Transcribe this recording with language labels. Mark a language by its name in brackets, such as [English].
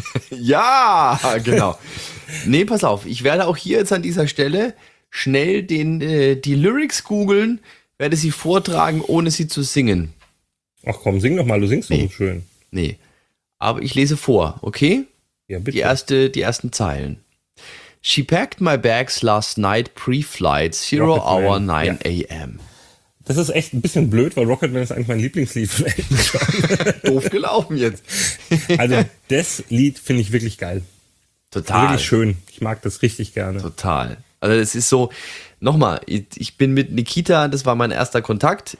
[German] Ja, genau. Nee, pass auf. Ich werde auch hier jetzt an dieser Stelle schnell die Lyrics googeln, werde sie vortragen, ohne sie zu singen. Ach komm, sing noch mal, du singst so schön. Nee, aber ich lese vor, okay? Ja, bitte. Die ersten Zeilen. [English] She packed my bags last night pre-flight, 0 hour, 9 a.m. [German] Ja. Das ist echt ein bisschen blöd, weil Rocketman ist eigentlich mein Lieblingslied. Doof gelaufen jetzt. Also, das Lied finde ich wirklich geil. Total. Wirklich schön. Ich mag das richtig gerne. Total. Also, es ist so... Nochmal, ich bin mit Nikita, das war mein erster Kontakt.